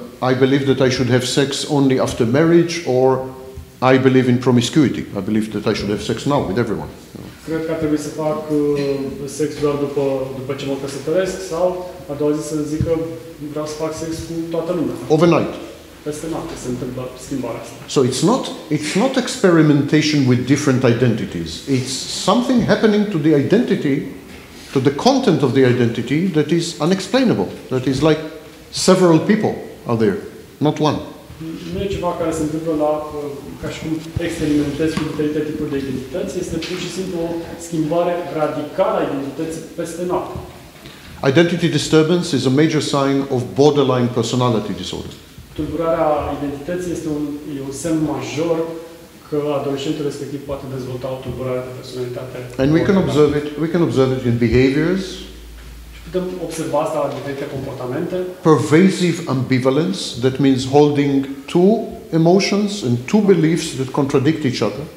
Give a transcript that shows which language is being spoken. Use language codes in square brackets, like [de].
[en] I believe that I should have sex only after marriage, or I believe in promiscuity. I believe that I should have sex now with everyone. [ro] Cred că trebuie să fac sex doar după ce mă căsătoresc, sau a doua zi să zic că vreau să fac sex cu toată lumea. [en] Overnight. [ro] Peste noapte se întâmplă schimbarea asta. [en] So it's not experimentation with different identities. It's something happening to the identity, to the content of the identity that is unexplainable. That is like several people are there, not one. [ro] Nu e ceva care se întâmplă la ca și cum experimentez cu diferite tipuri de identități, este pur și simplu o schimbare radicală a identității peste noapte. [en] Identity disturbance is a major sign of borderline personality disorder. [ro] Tulburarea identității este un semn major că adolescentul respectiv poate dezvolta o tulburare de personalitate. [en] And we can observe it in behaviors. [ro] Putem observa asta la diferite comportamente. [en] Pervasive ambivalence, that means holding two emotions and two beliefs that contradict each other.